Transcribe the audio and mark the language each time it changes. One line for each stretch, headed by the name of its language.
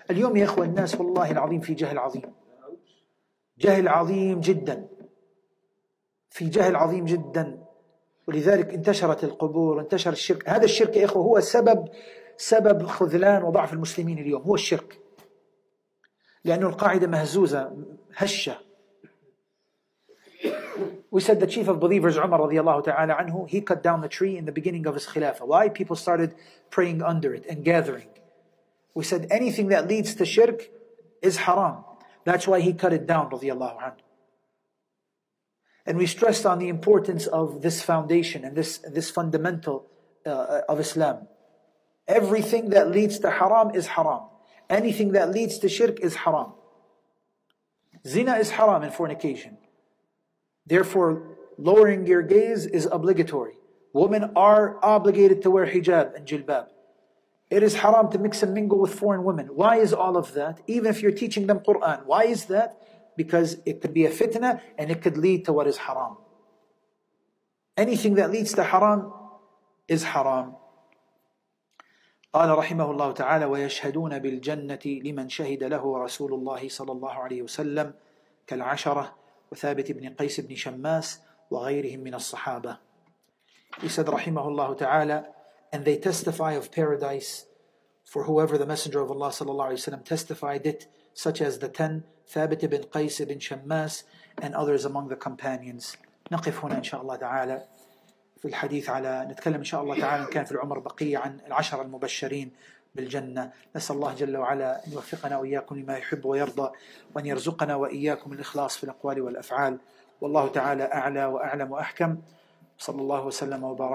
Arabic: اليوم يا إخوة الناس والله العظيم في جهل عظيم، جهل عظيم جدا، في جهل عظيم جدا. ولذلك انتشرت القبور، انتشر الشرك. هذا الشرك يا إخوة هو سبب خذلان وضعف المسلمين اليوم، هو الشرك، لأن القاعدة مهزوزة هشة.
English: We said the chief of believers Umar رضي الله تعالى عنه, he cut down the tree in the beginning of his khilafah. Why? People started praying under it and gathering. We said anything that leads to shirk is haram. That's why he cut it down رضي الله عنه. And we stressed on the importance of this foundation and this fundamental of Islam. Everything that leads to haram is haram. Anything that leads to shirk is haram. Zina is haram and fornication. Therefore, lowering your gaze is obligatory. Women are obligated to wear hijab and jilbab. It is haram to mix and mingle with foreign women. Why is all of that? Even if you're teaching them Quran, why is that? Because it could be a fitna and it could lead to what is haram. Anything that leads to haram is haram.
Arabic: قال رحمه الله تعالى ويشهدون بالجنة لمن شهد له رسول الله صلى الله عليه وسلم كالعشرة وثابت بن قيس بن شماس وغيرهم من الصحابة.
English: He said رحمه الله تعالى and they testify of paradise for whoever the messenger of Allah صلى الله عليه وسلم testified it, such as the 10 ثابت بن قيس بن شماس and others among the companions.
Arabic: نقف هنا إن شاء الله تعالى في الحديث على، نتكلم إن شاء الله تعالى إن كان في العمر بقية عن العشرة المبشرين بالجنة. نسأل الله جل وعلا أن يوفقنا وإياكم لما يحب ويرضى، وأن يرزقنا وإياكم الإخلاص في الأقوال والأفعال. والله تعالى أعلى وأعلم وأحكم، صلى الله وسلم وبارك.